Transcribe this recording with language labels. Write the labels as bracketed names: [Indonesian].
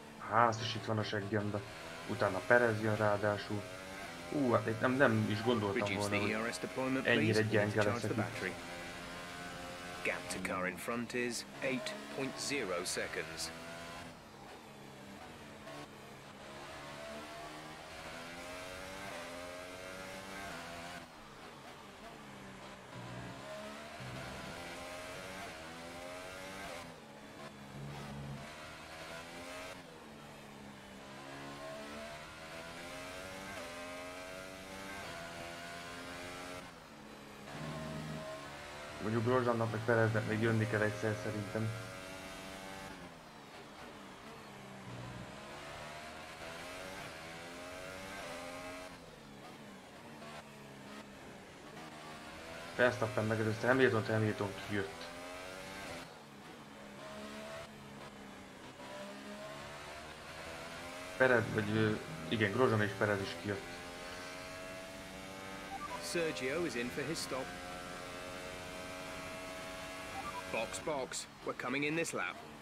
[Hungarian] Hát is itt van a seggembe. Utána Perez jön ráadásul. Hát itt nem is gondoltam volna, hogy ennyire gyenge leszek itt. [English] Gap to car in front is 8.0 seconds. [Hungarian] Mondjuk Grosjeannak meg Pereznek még jönni kell egyszer szerintem. Verstappen megelőzte Hamilton kijött. Perez, vagy igen, Grosjean és Perez is kijött. [English] Sergio is in for his stop. Box, box, we're coming in this lap.